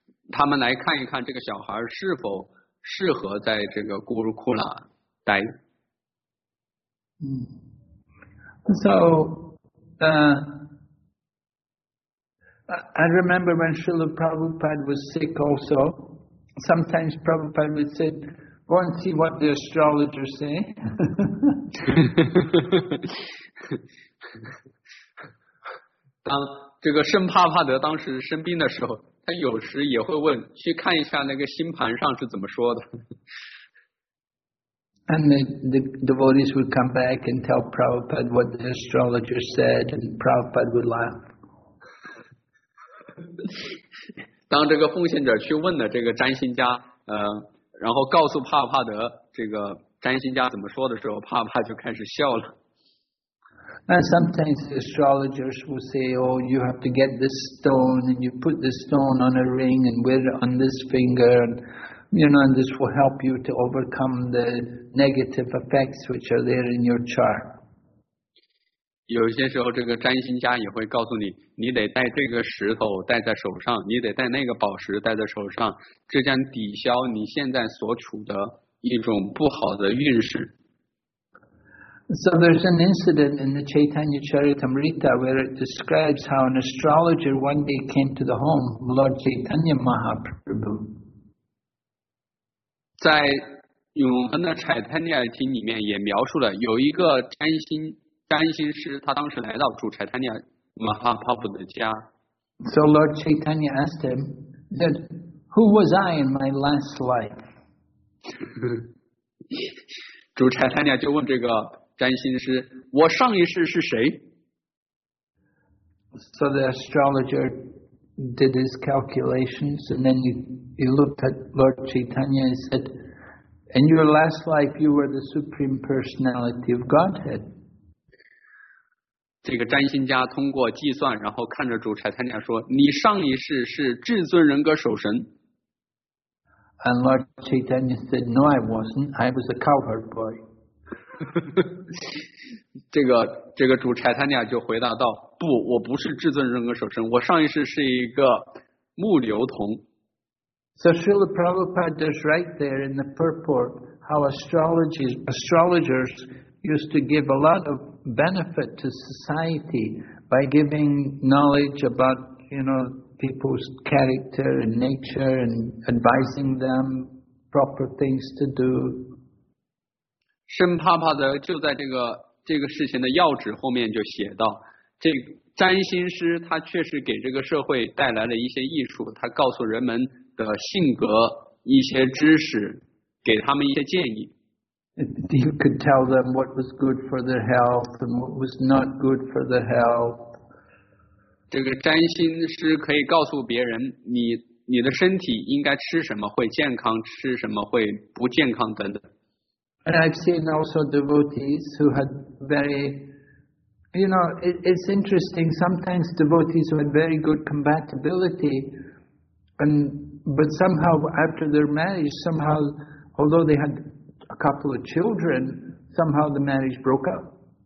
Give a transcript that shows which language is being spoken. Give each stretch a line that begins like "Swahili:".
Chinese: 他们来看一看这个小孩是否适合在这个古鲁库拉待。
English: So, I remember when Srila Prabhupada was sick also, sometimes Prabhupada would say, go and see what the astrologers say.
Chinese: 当这个圣帕帕德当时生病的时候，他有时也会问，去看一下那个星盘上是怎么说的。
English: And the devotees would come back and tell Prabhupada what the astrologer said, and Prabhupada would laugh.
Chinese: 当这个奉献者去问了这个占星家，然后告诉帕帕德这个占星家怎么说的时候，帕帕就开始笑了。
English: And sometimes astrologers will say, oh, you have to get this stone, and you put this stone on a ring and wear it on this finger, and, you know, and this will help you to overcome the negative effects which are there in your chart.
Chinese: 有些时候这个占星家也会告诉你，你得带这个石头戴在手上，你得带那个宝石戴在手上，这将抵消你现在所处的一种不好的运势。
English: So there's an incident in the Chaitanya Charitamrita where it describes how an astrologer one day came to the home of Lord Chaitanya Mahaprabhu.
Chinese: 在永恒的柴坦尼亚经里面也描述了有一个占星师，他当时来到主柴坦尼亚马哈帕布的家。
English: So Lord Chaitanya asked him, said, "Who was I in my last life?"
Chinese: 主柴坦尼亚就问这个。占星师，我上一世是谁？
English: So the astrologer did his calculations, and then he looked at Lord Chaitanya and said, "In your last life, you were the supreme personality of Godhead."
Chinese: 这个占星家通过计算，然后看着主柴坦尼亚说：“你上一世是至尊人格守神。”
English: And Lord Chaitanya said, "No, I wasn't. I was a cowherd boy."
Chinese: 这个主柴坦尼亚就回答道，不，我不是至尊人格守身，我上一世是一个牧牛童。
English: So Srila Prabhupada is right there in the purport how astrologers used to give a lot of benefit to society by giving knowledge about, you know, people's character and nature and advising them proper things to do。
Chinese: 圣帕帕德就在这个事情的要旨后面就写到，这占星师他确实给这个社会带来了一些益处，他告诉人们的性格一些知识，给他们一些建议。
English: You could tell them what was good for their health and what was not good for their health.
Chinese: 这个占星师可以告诉别人你的身体应该吃什么会健康，吃什么会不健康等等。
English: And I've seen also devotees who had very, you know, it's interesting. Sometimes devotees who had very good compatibility, but somehow after their marriage, somehow, although they had a couple of children, somehow the marriage broke up.